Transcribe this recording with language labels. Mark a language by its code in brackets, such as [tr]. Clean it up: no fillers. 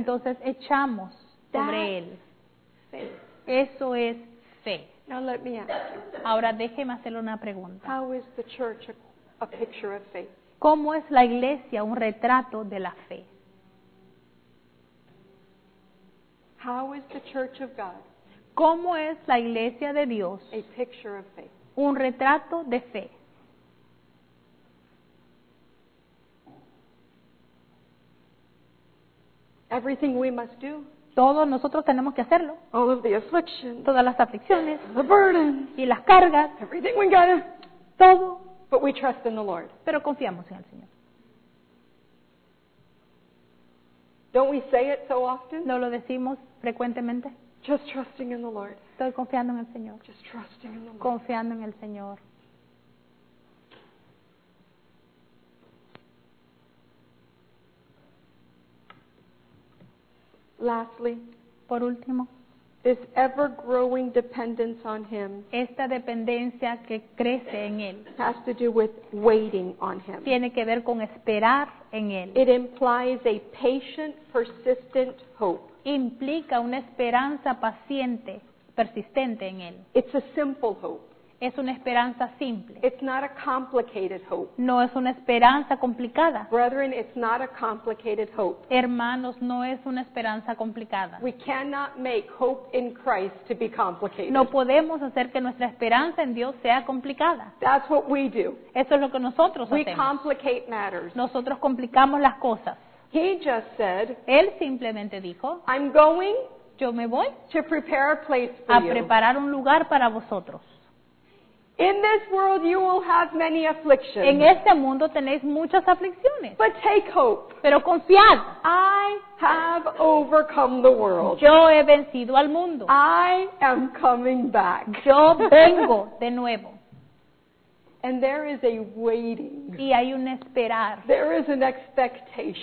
[es] Entonces echamos sobre él. Eso es fe. [en] Now let me ask. [es] Ahora déjeme hacerle una pregunta. [en] How is the church a picture of faith? [es] ¿Cómo es la iglesia un retrato de la fe? [en] How is the church of God? [es] ¿Cómo es la iglesia de Dios? [en] A picture of faith. [es] Un retrato de fe. [en] Everything we must do. [es] Todos nosotros tenemos que hacerlo. [en] All of the afflictions. [es] Todas las aflicciones. [en] The burdens. [es] Y las cargas. [en] Everything we gotta. [es] Todo. [en] But we trust in the Lord. [es] Pero confiamos en el Señor. [en] Don't we say it so often? [es] ¿No lo decimos frecuentemente? [en] Just trusting in the Lord. [es] Estoy confiando en el Señor. [en] Just trusting in the Lord. [es] Confiando en el Señor. [en] Lastly, [es] por último, [en] this ever-growing dependence on Him. [es] Esta dependencia que crece en él. [en] Has to do with waiting on Him. [es] Tiene que ver con esperar en él. [en] It implies a patient, persistent hope. [es] Implica una esperanza paciente, persistente en él. [en] It's a simple hope. [es] Es una esperanza simple. [en] It's not a complicated hope. [es] No es una esperanza complicada. [en] Brethren, it's not a complicated hope. [es] Hermanos, no es una esperanza complicada. [en] We cannot make hope in Christ to be complicated. [es] No podemos hacer que nuestra esperanza en Dios sea complicada. [en] That's what we do. [es] Eso es lo que nosotros [en] we [es] hacemos. [en] We complicate matters. [es] Nosotros complicamos las cosas. [en] He just said, [es] él simplemente dijo, [en] I'm going, [es] yo me voy, [en] to prepare a place for [es] a preparar [en] you. [es] Un lugar para vosotros. [en] In this world you will have many afflictions. [es] En este mundo tenéis muchas aflicciones. [en] But take hope. [es] Pero confiad. [en] I have overcome the world. [es] Yo he vencido al mundo. [en] I am coming back. [es] Yo vengo de nuevo. [en] And there is a waiting. [es] Y hay un esperar. [en] There is an expectation.